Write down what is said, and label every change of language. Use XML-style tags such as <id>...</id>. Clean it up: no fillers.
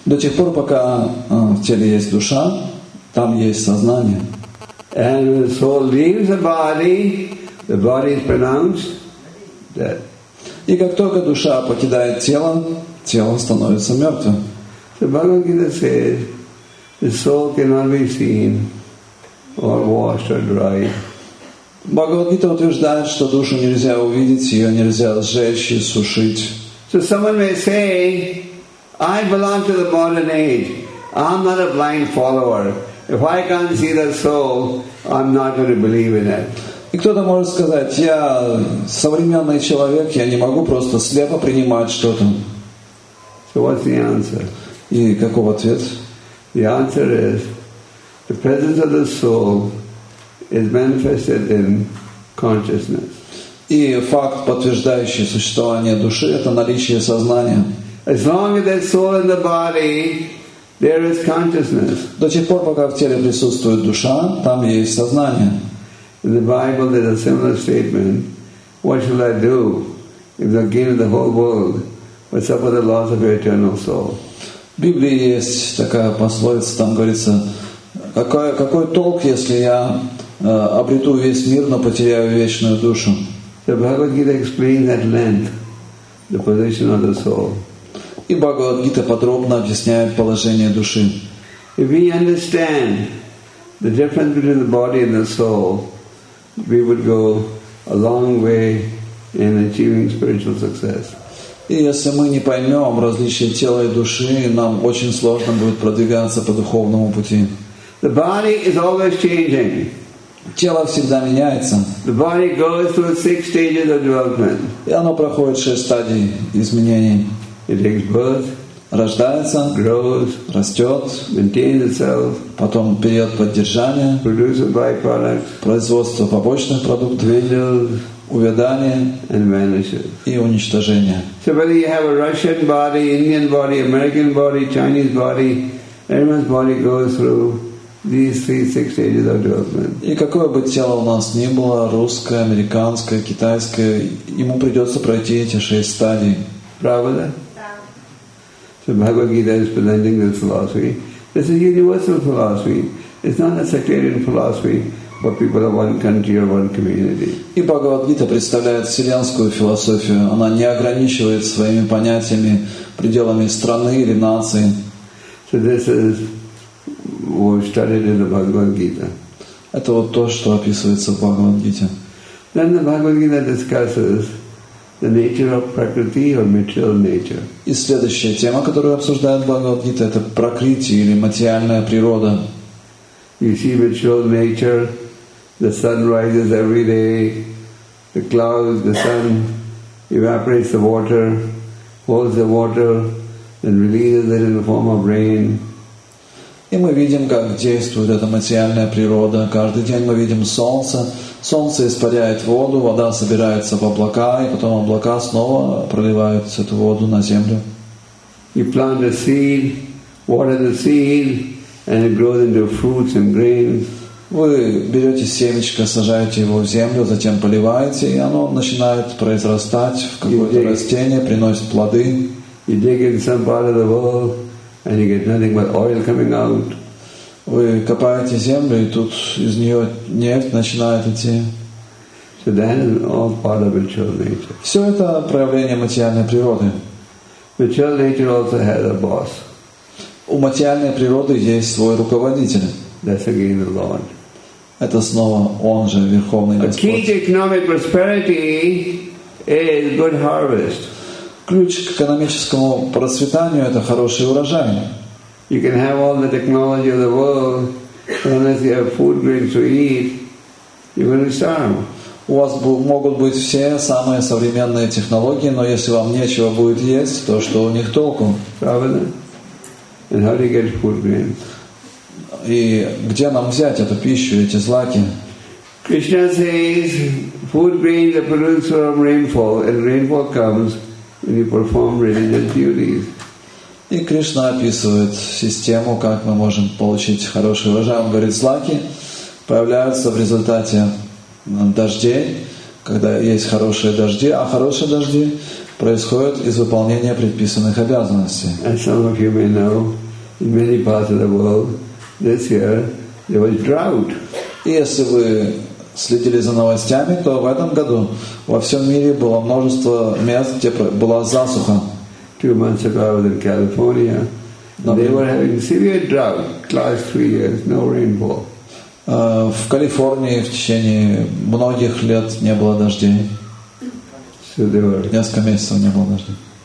<ru>До тех пор, пока в теле есть душа, там есть сознание.</ru> <en>And when the soul leaves the body is pronounced dead.</en> <ru>И как только душа покидает тело, тело становится мертвым.</ru> <en>So Bhagavad-gita says, the soul cannot be seen or washed or dried.</en> <ru>Бхагавад-гита утверждает, что душу нельзя увидеть, ее нельзя сжечь и сушить.</ru> <en>So someone may say, I belong to the modern age. I'm not a blind follower. If I can't see the soul, I'm not going to believe in it.</en> <ru>И кто-то может сказать, я современный человек, я не могу просто слепо принимать что-то.</ru> <en>So what's the answer?</en> <ru>И каков ответ?</ru> <en>The answer is, the presence of the soul is manifested in consciousness.</en> <ru>И факт, подтверждающий существование души, это наличие сознания.</ru> <en>As long as that soul in the body, there is consciousness.</en> <ru>До тих пор, пока в теле присутствует душа, там есть сознание.</ru> <en>In the Bible, there's a similar statement. What shall I do if I gain the whole world but suffer the loss of your eternal soul?</en> <ru>В Библии есть такая пословица, там говорится, какой толк, если я обрету весь мир, но потеряю вечную душу?</ru> <en>The Bhagavad Gita explains at length the position of the soul.</en> <ru>И Бхагавад Гита подробно объясняет положение души.</ru> <en>If we understand the difference between the body and the soul, we would go a long way in achieving spiritual success.</en> <ru>И если мы не поймем различие тела и души, нам очень сложно будет продвигаться по духовному пути.</ru> <en>The body is always changing.</en> <ru>Тело всегда меняется.</ru> <en>The body goes through 6 stages of development.</en> <ru>И оно проходит 6 стадий изменений.</ru> <en>It takes birth,</en> <ru>рождается,</ru> <en>grows,</en> <ru>растет,</ru> <en>maintains itself,</en> <ru>потом период поддержания,</ru> <en>produces byproducts,</en> <ru>производство побочных продуктов,</ru> <en>dwindles,</en> <ru>увядание,</ru> <en>and vanishes,</en> <ru>и уничтожение.</ru> <en>So whether you have a Russian body, Indian body, American body, Chinese body, everyone's body goes through these 3-6 stages of development.</en> <ru>И какое бы тело у нас ни было, русское, американское, китайское, ему придется пройти эти 6 стадий. Правда?</ru> <en>So Bhagavad Gita is presenting this philosophy. This is a universal philosophy. It's not a sectarian philosophy for people of one country or one community.</en> <ru>И Бхагавад Гита представляет вселенскую философию. Она не ограничивает своими понятиями пределами страны или нации.</ru> <en>So this is what studied in the Bhagavad Gita.</en> <ru>Это вот то, что описывается в Бхагавад Гите.</ru> <en>Then the Bhagavad Gita discusses the nature of prakriti or material nature.</en> <ru>И следующая тема, которую обсуждает Бхагавад Гита, это пракрити или материальная природа.</ru> <en>You see material nature, the sun rises every day, the clouds, the sun evaporates the water, holds the water, then releases it in the form of rain.</en> <ru>И мы видим, как действует эта материальная природа. Каждый день мы видим солнце. Солнце испаряет воду, вода собирается в облака, и потом облака снова проливают эту воду на землю.</ru> <en>You plant a seed, water the seed, and it grows into fruits and grains.</en> <ru>Вы берете семечко, сажаете его в землю, затем поливаете, и оно начинает произрастать в какое-то растение, приносит плоды.</ru> <en>You dig in some part of the world, and you get nothing but oil coming out.</en> <ru>Вы копаете землю, и тут из нее нефть начинает идти.</ru> <en>So that is all part of material nature.</en> <ru>Все это проявление материальной природы.</ru> <en>Material nature also has a boss.</en> <ru>У материальной природы есть свой руководитель.</ru> <en>That's again the Lord.</en> <ru>Это снова Он же, Верховный Господь.</ru> <en>A key to economic prosperity is good harvest.</en> <ru>Ключ к экономическому процветанию — это хороший урожай.</ru> <en>You can have all the technology of the world, but unless you have food grains to eat, you're going to starve.</en> <ru>У вас могут быть все самые современные технологии, но если вам нечего будет есть, то что у них толку? Правильно.</ru> <en>And how do you get food grains?</en> <ru>И где нам взять эту пищу, эти злаки?</ru> <en>Krishna says, food grains are produced from rainfall, and rainfall comes when you perform religious duties.</en> <ru>И Кришна описывает систему, как мы можем получить хороший урожай. Он говорит, злаки появляются в результате дождей, когда есть хорошие дожди, а хорошие дожди происходят из выполнения предписанных обязанностей.</ru> <en>As some of you may know, in many parts of the world, this year there was drought.</en> <ru>И если вы следили за новостями, то в этом году во всем мире было множество мест, где была засуха.</ru> <en>2 months ago I was in California. They were having severe drought, last 3 years, no rainfall.</en> <ru>В Калифорнии в течение многих лет не было дождей.</ru> <en>So they were.</en> <ru>Несколько месяцев не было дождей.</ru>